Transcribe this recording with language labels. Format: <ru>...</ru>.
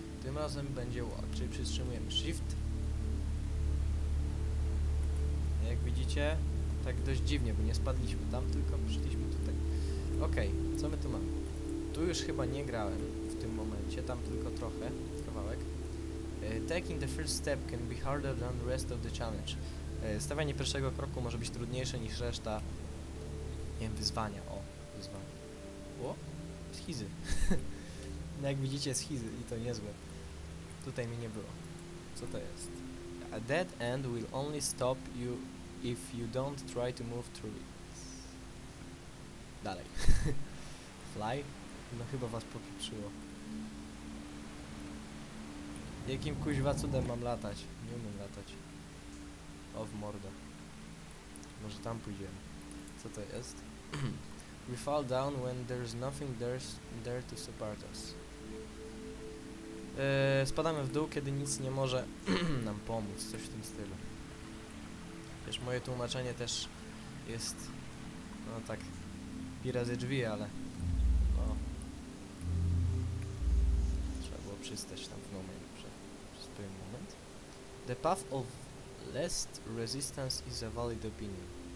<pl>Tym razem będzie walk, czyli przytrzymujemy shift. Jak widzicie, tak dość dziwnie, bo nie spadliśmy tam, tylko przyszliśmy tutaj. Okej, co my tu mamy? Tu już chyba nie grałem w tym momencie, tam tylko trochę, kawałek.</pl> <en>Taking the first step can be harder than the rest of the challenge.</en> <pl>Stawianie pierwszego kroku może być trudniejsze niż reszta, nie wiem, wyzwania. O, wyzwanie. O, schizy. Jak widzicie, schizy i to niezłe. Tutaj mnie nie było. Co to jest?</pl> <en>A dead end will only stop you if you don't try to move through it.</en> <pl>Dalej. Fly? No chyba was popieprzyło. Jakim kuźwa cudem mam latać? Nie umiem latać. O, w mordę. Może tam pójdziemy. Co to jest?</pl> <en>We fall down when there's nothing there to support us.</en> <pl>Spadamy w dół, kiedy nic nie może nam pomóc. Coś w tym stylu. Wiesz, moje tłumaczenie też jest... No tak... Pira ze drzwi, ale... No... Trzeba było przystać tam w moment. Przez pewien moment.</pl> <en>The path of least resistance is a valid opinion.</en>